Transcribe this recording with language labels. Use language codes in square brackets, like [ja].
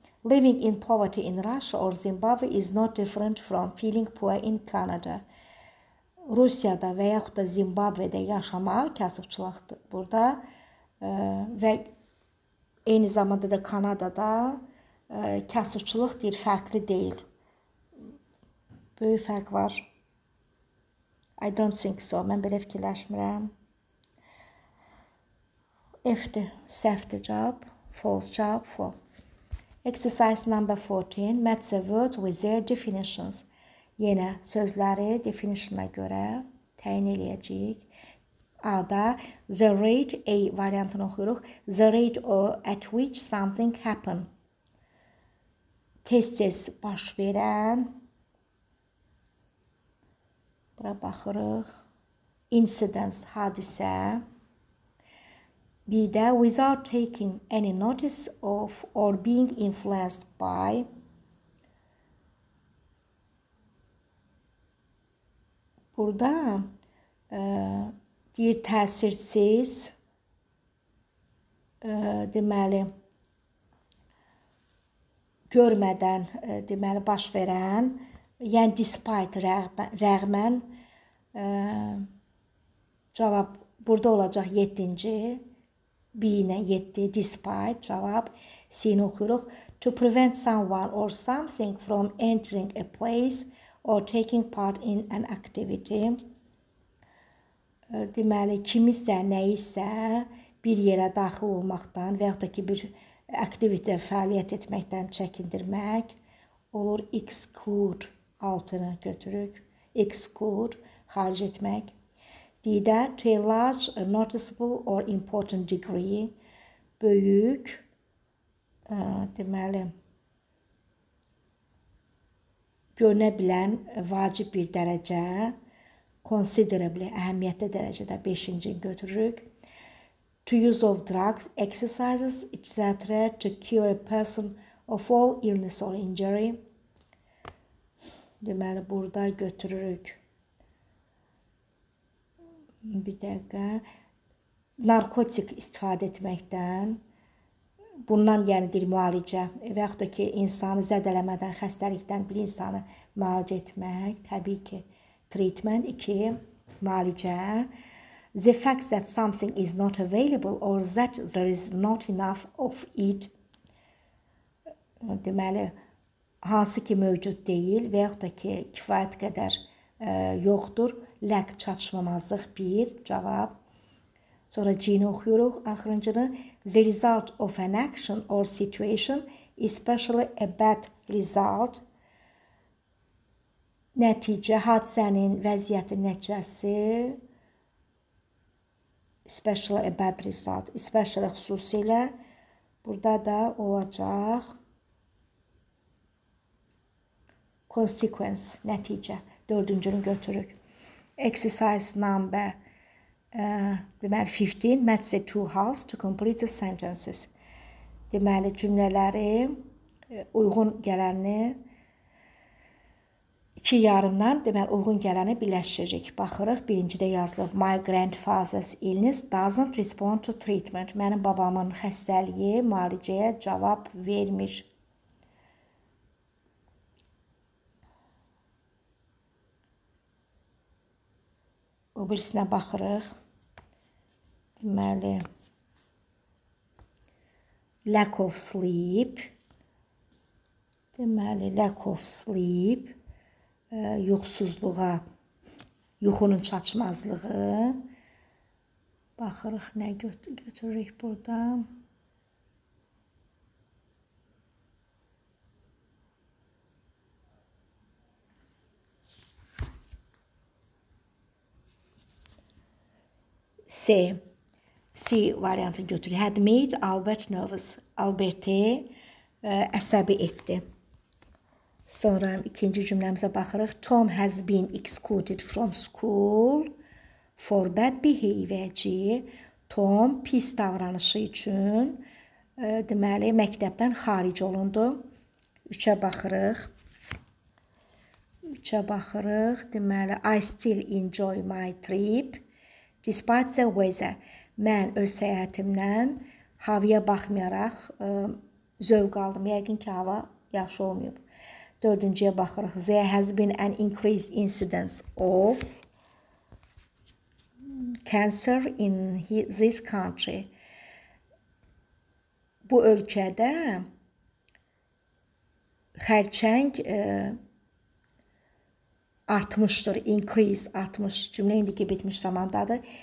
[en] Living in poverty in Russia or Zimbabwe is not different from feeling poor in Canada. [az] Rusiyada və yaxud da Zimbabwe-də yaşamaq kasıbçılıqdır burada və eyni zamanda da Kanada'da kasıbçılıq deyil, fərqli deyil. Böyük fərq var. [en] I don't think so. [az] Mən belə fikirləşmirəm. F-dir, səhvdir cavab. False cavab, false. [en] Exercise number 14. Match the words with their definitions. [az] Yenə sözləri definition-a görə təyin eləyəcəyik. [en] A-da the rate, [az] A variantını oxuyuruq, [en] the rate or at which something happen. [az] Tez-tez baş verən, bura baxırıq, incidents, hadisə. [en] B-də without taking any notice of or being influenced by. [az] burada deyir təsirsiz, deməli görmədən, deməli baş verən, yəni despite, rəğmən cavab burada olacaq 7-ci. B ilə 7 despite cavab C-ni oxuyuruq. [en] To prevent someone or something from entering a place or taking part in an activity. [az] Deməli, kimisə, nəyisə bir yerə daxil olmaqdan və yaxud da ki, bir aktivitə fəaliyyət etməkdən çəkindirmək olur. Exclude altını götürük. [en] Exclude, [az] xaric etmək. [en] D-də to a large, a noticeable or important degree. [az] Böyük, deməli, görünə bilən vacib bir dərəcə. Considerably, əhəmiyyətli dərəcədə 5-ci götürürük. [en] To use of drugs, exercises, etc. to cure a person of all illness or injury. [az] Deməli, burada götürürük. Bir dəqiqə. Narkotik istifadə etməkdən, bundan yəni bir müalicə və yaxud da ki, insanı zədələmədən, xəstəlikdən bir insanı müalicə etmək, təbii ki, treatment 2, müalicə. [en] The fact that something is not available or that there is not enough of it. [az] Deməli, hansı ki mövcud deyil və yaxud da ki, kifayət qədər yoxdur. Lack, çatışmamazlıq 1, cavab. Sonra C-ni oxuyuruq. Axırıncını. [en] The result of an action or situation, especially a bad result. [az] Nəticə, hadisənin vəziyyəti nəticəsi. [en] Especially a bad result. Especially [az] xüsusilə. Burada da olacaq. [en] Consequence, [az] nəticə. Dördüncünü götürürük. [en] Exercise number 15. Match the two halves to complete the sentences. [az] Deməli, cümlələri uyğun gələni iki yarımdan, deməli, uyğun gələni birləşdiririk. Baxırıq, birincidə yazılıb. [en] My grandfather's illness doesn't respond to treatment. [az] Mənim babamın xəstəliyi müalicəyə cavab vermir. O birisine baxırıq. Deməli, [en] lack of sleep. Deməli, lack of sleep. [az] Yuxusuzluğa, yuxunun çatışmazlığı. Baxırıq, nə götürürük burada. C variantı götürür. [en] Had made Albert nervous. [az] Albert'i əsəbi etdi. Sonra ikinci cümləmizə baxırıq. [en] Tom has been excluded from school for bad behavior. [az] Tom pis davranışı üçün deməli məktəbdən xaric olundu. Üçə baxırıq. Üçə baxırıq. [en] Deməli, I still enjoy my trip. Despite the weather, [az] mən öz səyahətimdən havaya baxmayaraq zövq aldım. Yəqin ki, hava yaxşı olmayıb. Dördüncüyə baxırıq. [en] There has been an increased incidence of cancer in this country. [az] Bu ölkədə xərçəng artmışdır. Increase artmış. Cümlə indiki bitmiş zamandadır.